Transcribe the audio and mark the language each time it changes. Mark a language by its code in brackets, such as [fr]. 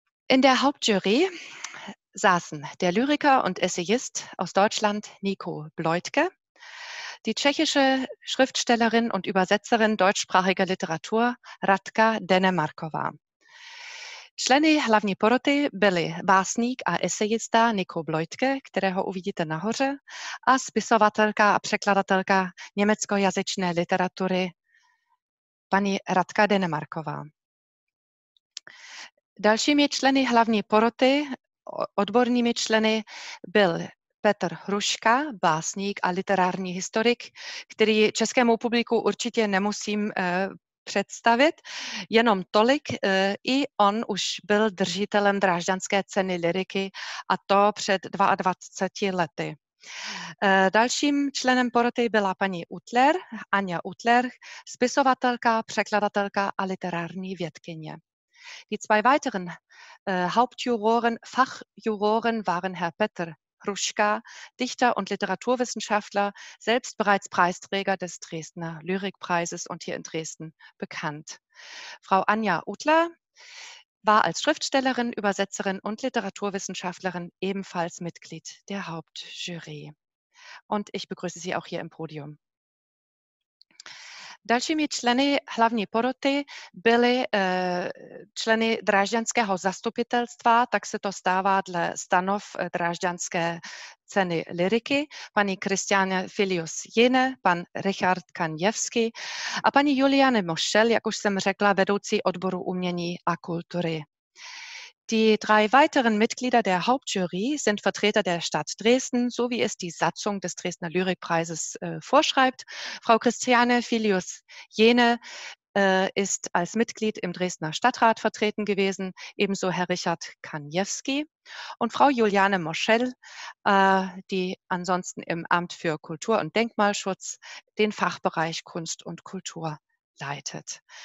[de] In der Hauptjury saßen der Lyriker und Essayist aus Deutschland Nico Bleutke, die tschechische Schriftstellerin und Übersetzerin deutschsprachiger Literatur Radka Denemarková. [cs] Členy hlavní poroty byli básník a esejista Nico Bleutke, kterého uvidíte nahoře, a spisovatelka a překladatelka německojazyčné literatury paní Radka Denemarková. Dalšími členy hlavní poroty, odbornými členy, byl Petr Hruška, básník a literární historik, který českému publiku určitě nemusím představit, jenom tolik, i on už byl držitelem Drážďanské ceny lyriky, a to před 22 lety. Dalším členem poroty byla paní Utler, Anja Utler, spisovatelka, překladatelka a literární vědkyně. [de] Die zwei weiteren Hauptjuroren, Fachjuroren waren Herr Petr Hruška, Dichter und Literaturwissenschaftler, selbst bereits Preisträger des Dresdner Lyrikpreises und hier in Dresden bekannt. Frau Anja Utler war als Schriftstellerin, Übersetzerin und Literaturwissenschaftlerin ebenfalls Mitglied der Hauptjury. Und ich begrüße Sie auch hier im Podium. [cs] Dalšími členy hlavní poroty byly členy drážďanského zastupitelstva, tak se to stává dle stanov drážďanské ceny liriky, paní Kristiane Filius-Jine, pan Richard Kanjevský a paní Juliane Moschel, jak už jsem řekla, vedoucí odboru umění a kultury. [de] Die drei weiteren Mitglieder der Hauptjury sind Vertreter der Stadt Dresden, so wie es die Satzung des Dresdner Lyrikpreises vorschreibt. Frau Kristiane Filius-Jene ist als Mitglied im Dresdner Stadtrat vertreten gewesen, ebenso Herr Richard Kanjewski und Frau Juliane Moschel, die ansonsten im Amt für Kultur und Denkmalschutz den Fachbereich Kunst und Kultur leitet.